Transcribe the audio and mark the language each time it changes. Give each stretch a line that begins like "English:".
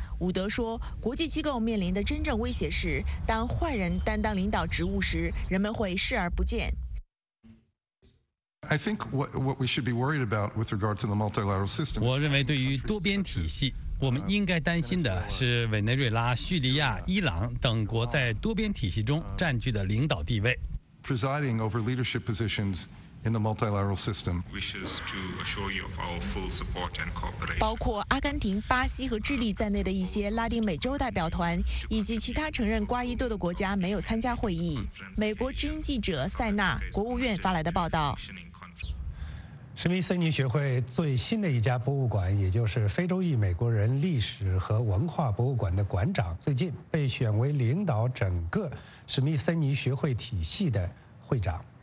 Chinese: 伍德说，国际机构面临的真正威胁是，当坏人担当领导职务时，人们会视而不见。我认为对于多边体系，我们应该担心的是委内瑞拉、叙利亚、伊朗等国在多边体系中占据的领导地位。
English: Presiding over leadership positions in the multilateral system. Wishes to assure you of our full support and cooperation.
Chinese: 包括阿根廷、巴西和智利在内的一些拉丁美洲代表团以及其他承认瓜伊多的国家没有参加会议。美国之音记者塞纳，国务院发来的报道。史密森尼学会最新的一家博物馆，也就是非洲裔美国人历史和文化博物馆的馆长，最近被选为领导整个史密森尼学会体系的会长。